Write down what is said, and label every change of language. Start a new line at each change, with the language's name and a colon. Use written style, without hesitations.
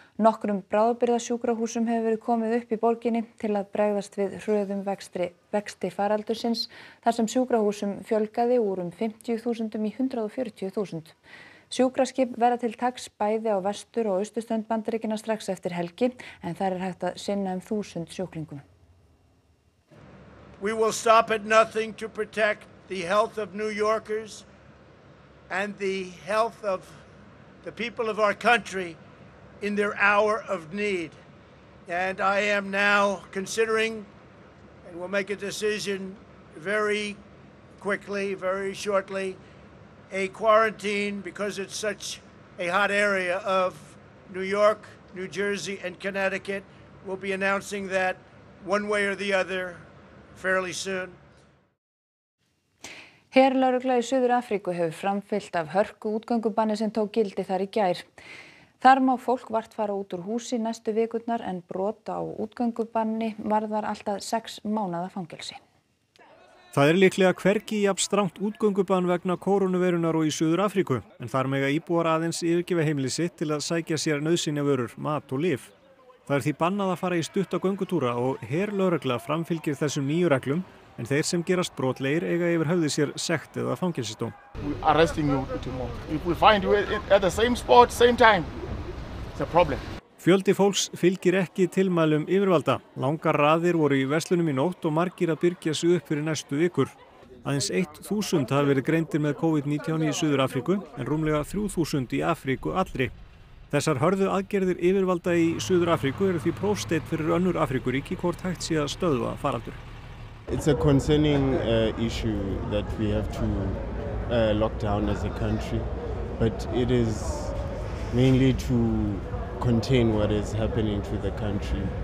Icelandic: Nokkrum bráðabirðasjúkrahúsum hefur verið komið upp í borginni til að bregðast við hröðum vexti faraldursins, þar sem sjúkrahúsum fjölgaði úr 50.000 í 140.000. Sjúkraskip verða til taks bæði á vestur og austurströnd Bandaríkjanna strax eftir helgi, en þar er hægt að sinna 1000 sjúklingum.
English: We will stop at nothing to protect the health of New Yorkers and the health of the people of our country in their hour of need. And I am now considering and will make a decision very quickly, very shortly, a quarantine because it's such a hot area of New York, New Jersey, and Connecticut. We'll be announcing that one way or the other fairly soon.
Icelandic: Herlögregla í Suður-Afríku hefur framfyllt af hörku útgöngubanni sem tók gildi þar í gær. Þar má fólk vart fara út úr húsi næstu vikurnar en brot á útgöngubanni varðar alltaf 6 mánaða fangelsi. Það er líklega hvergi jafn strangt útgöngubann vegna kórónuverunar og í Suður-Afríku, en þar mega íbúar aðeins yfirgefa heimili sitt til að sækja sér nauðsynjavörur, mat og lyf. Það er því bannað að fara í stutta göngutúra og herlögregla framfylgir þessum nýju reglum, en þeir sem gerast brotlegir eiga yfir höfði sér sekt eða fangelsisdóm.
English: We're arresting you tomorrow. If we find you at the same spot, same time, it's a problem.
Icelandic: Fjöldi fólks fylgir ekki tilmælum yfirvalda. Langar raðir voru í verslunum í nótt og margir að byrgja sig upp fyrir næstu vikur. Aðeins 1000 hafa verið greindir með COVID-19 í Suður-Afríku, en rúmlega 3000 í Afríku allri. Þessar hörðu aðgerðir yfirvalda í Suður-Afríku eru því prófsteinn fyrir önnur Afríkuríki hvort hægt sé að stöðva faraldur.
English: It's a concerning issue that we have to lock down as a country, but it is mainly to contain what is happening to the country.